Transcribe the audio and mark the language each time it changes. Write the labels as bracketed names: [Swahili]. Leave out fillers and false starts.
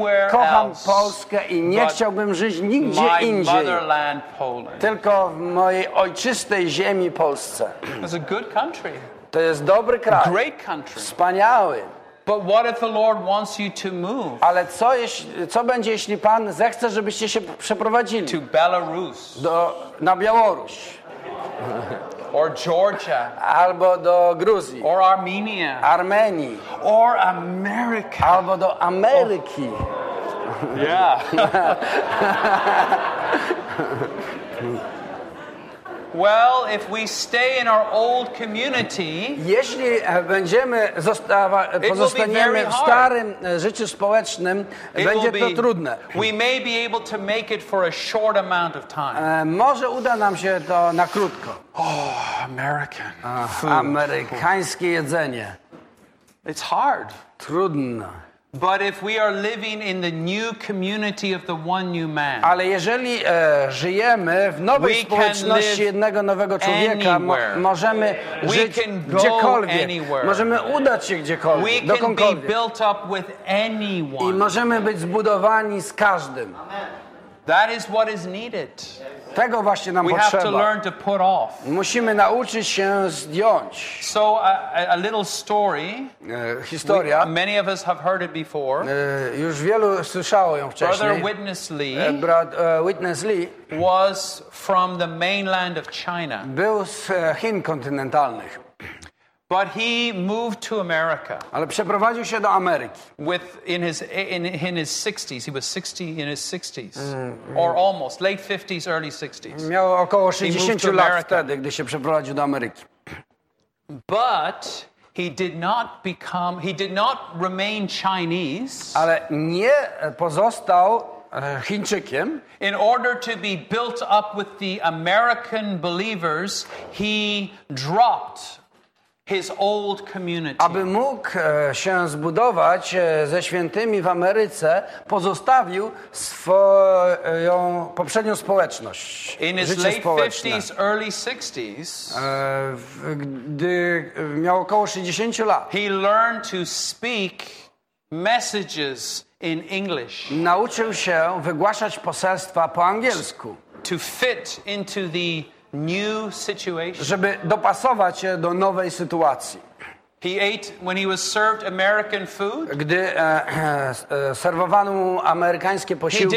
[Polish] Kocham Polskę i nie chciałbym żyć nigdzie indziej. Tylko w mojej ojczystej ziemi Polsce. [English] It's a good country. [Polish] To jest dobry kraj. [English] Great country. [Polish] Wspaniały. [English] But what if the Lord wants you to move? [Polish] Ale co będzie, jeśli Pan zechce, żebyście się przeprowadzili? [English] To Belarus. [Polish] Na Białoruś. [English] Or Georgia. [Polish] Albo do Gruzji. [English] Or Armenia. [Polish] Armenii. [English] Or America. [Polish] Albo do Ameryki. [English] Oh. Yeah. Well, if we stay in our old community, [Polish] jeśli będziemy pozostaniemy w starym życiu społecznym, będzie to trudne. [English] We may be able to make it for a short amount of time. [Polish] Może uda nam się to na krótko. [English] Oh, American. [Polish] Amerykańskie jedzenie. [English] It's hard. [Polish] Trudno. [English] But if we are living in the new community of the one new man, [Polish] ale jeżeli żyjemy w nowej społeczności jednego nowego człowieka, możemy żyć gdziekolwiek, możemy udać się gdziekolwiek, dokądkolwiek. [English] We can be built up with anyone. [Polish] I możemy być zbudowani z każdym. [English] That is what is needed. [Polish] Tego właśnie nam [English] we [Polish] potrzeba. [English] Have to learn to put off. [Polish] Musimy nauczyć się zdjąć. [English] So a little story. [Polish] Historia. [English] Many of us have heard it before. [Polish] Już wielu słyszało ją wcześniej. [English] Brother Witness Lee. Witness Lee was from the mainland of China. [Polish] Był z Chin kontynentalnych. [English] But he moved to America. [Polish] Ale przeprowadził się do Ameryki. [English] With in his 60s, he was 60 in his 60s, or almost late 50s, early 60s. [Polish] Miał około 60 lat wtedy, gdy się przeprowadził do Ameryki. [English] But he did not remain Chinese. [Polish] Ale nie pozostał Chińczykiem. [English] In order to be built up with the American believers, he dropped his old community. [Polish] Aby mógł się zbudować ze świętymi w Ameryce, pozostawił swoją poprzednią społeczność. [English] In his [Polish] życie [English] late [Polish] społeczne. [English] 50s, early 60s, [Polish] gdy miał około 60 lat, [English] he learned to speak messages in English. [Polish] Nauczył się wygłaszać poselstwa po angielsku. [English] To fit into the new situation. [Polish] Żeby dopasować się do nowej sytuacji. [English] He ate when he was served American food. [Polish] Gdy serwowano mu amerykańskie posiłki.